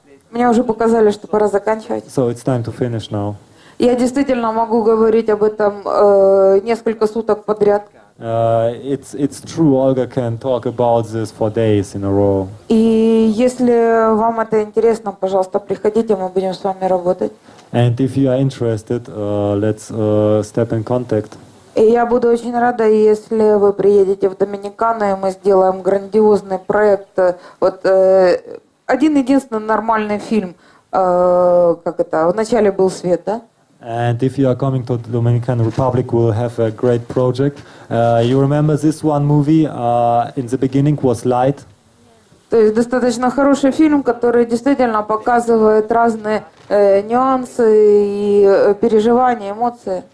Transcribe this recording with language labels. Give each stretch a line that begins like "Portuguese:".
Russian: Мне уже показали, что пора заканчивать.
English: So it's time to finish now.
Russian: Я действительно могу говорить об этом несколько суток подряд.
English: It's true, Olga can talk about this for days in a row.
Russian: И если вам это интересно, пожалуйста, приходите, мы будем с вами работать.
English: And if you are interested, let's step in contact.
Russian: И я буду очень рада, если вы приедете в Доминикану, и мы сделаем грандиозный проект. Вот один-единственный нормальный фильм, как это, вначале был свет, да?
English: And if you are coming to the Dominican Republic, we'll have a great project. You remember this one movie? In the beginning was light.
Russian: То есть достаточно хороший фильм, который действительно показывает разные нюансы и переживания, эмоции.